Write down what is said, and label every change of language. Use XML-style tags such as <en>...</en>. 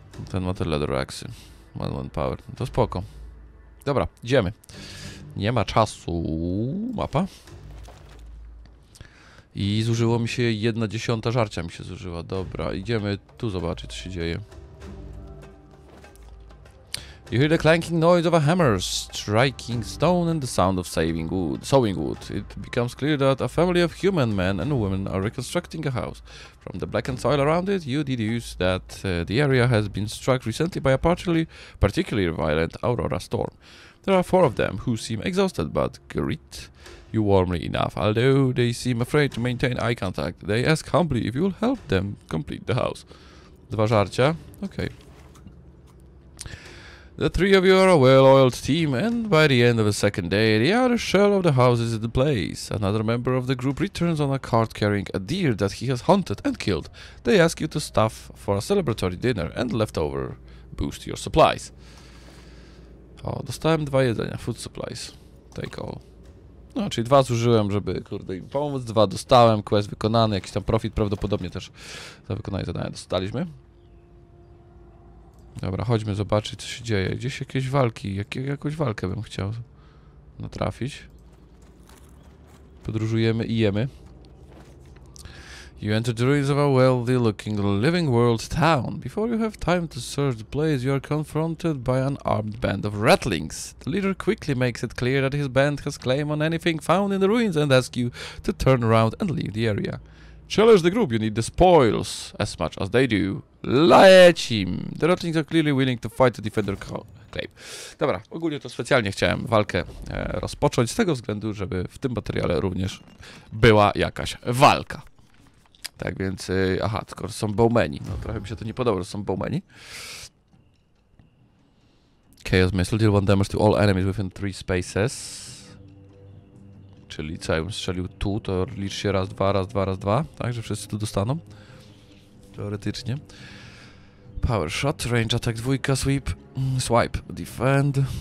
<pl>Ten ma te leather ragsy. 1 willpower. No to spoko. Dobra, idziemy. Nie ma czasu. Mapa. I zużyło mi się 1/10 żarcia mi się zużyła. Dobra, idziemy tu zobaczyć, co się dzieje.</pl> <en>You hear the clanking noise of a hammer striking stone and the sound of saving wood, sawing wood. It becomes clear that a family of human men and women are reconstructing a house. From the blackened soil around it, you deduce that the area has been struck recently by a particularly violent aurora storm. There are four of them who seem exhausted but greet you warmly enough. Although they seem afraid to maintain eye contact, they ask humbly if you'll help them complete the house.</en> <pl>Dwa żarcia.</pl> <en>Okay. The three of you are a well-oiled team, and by the end of the second day, the outer shell of the house is in place. Another member of the group returns on a cart carrying a deer that he has hunted and killed. They ask you to stuff for a celebratory dinner and leftover boost your supplies.</en> <pl>O, dostałem dwa jedzenia,</pl> <en>food supplies. Take all.</en> <pl>No, czyli dwa zużyłem, żeby, kurde, im pomóc, dwa dostałem, quest wykonany, jakiś tam profit prawdopodobnie też za wykonanie zadania dostaliśmy. Dobra, chodźmy zobaczyć, co się dzieje. Gdzieś jakieś walki, jakąś walkę bym chciał natrafić. Podróżujemy i jemy.</pl> <en>You enter the ruins of a wealthy-looking living world town. Before you have time to search the place, you are confronted by an armed band of rattlings. The leader quickly makes it clear that his band has claim on anything found in the ruins and asks you to turn around and leave the area. Challenge the group, you need the spoils as much as they do.</en> <pl>Leć im!</pl> <en>The Rattlings are clearly willing to fight to defend their claim.</en> <pl>Dobra, ogólnie to specjalnie chciałem walkę rozpocząć z tego względu, żeby w tym materiale również była jakaś walka. Tak więc, aha, tylko są bowmeni. No trochę mi się to nie podoba, że są bowmeni.</pl> <en>Chaos Missile, deal one damage to all enemies within three spaces.</en> <pl>Czyli co, jakbym strzelił tu, to licz się raz, dwa, raz, dwa, raz, dwa. Tak, że wszyscy tu dostaną. Teoretycznie. Power shot, range attack, dwójka, sweep, swipe, defend.</pl>